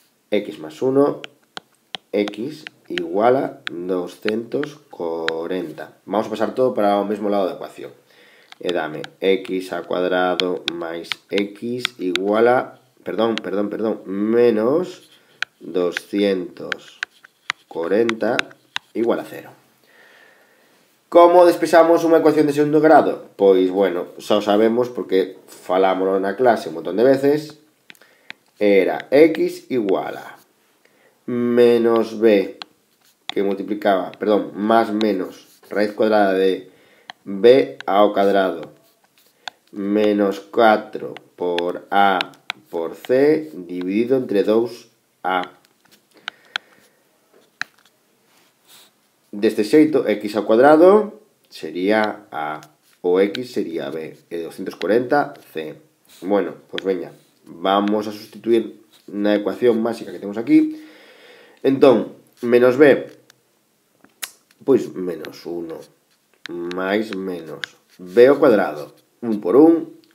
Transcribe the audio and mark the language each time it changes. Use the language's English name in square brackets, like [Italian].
[Spanish] X más 1, x igual a 240. Vamos a pasar todo para el mismo lado de la ecuación. [Galician] E dame [Spanish] x al cuadrado más x igual a, perdón, menos 240 igual a 0. [Galician] ¿Cómo despexamos unha ecuación de segundo grado? Pois, bueno, xa o sabemos porque falámoslo na clase un montón de veces. [Spanish] Era x igual a menos b que multiplicaba, perdón, más menos raíz cuadrada de b [Galician] ao cuadrado [Spanish] menos 4 por a por c dividido entre 2a. [Galician] Deste xeito, x ao cuadrado sería a, o x sería b, e 240c. [Spanish] Bueno, pues [Galician] veña, vamos a sustituir na ecuación básica que temos aquí. Entón, menos b, pois menos 1, máis menos b ao cuadrado, 1 por 1,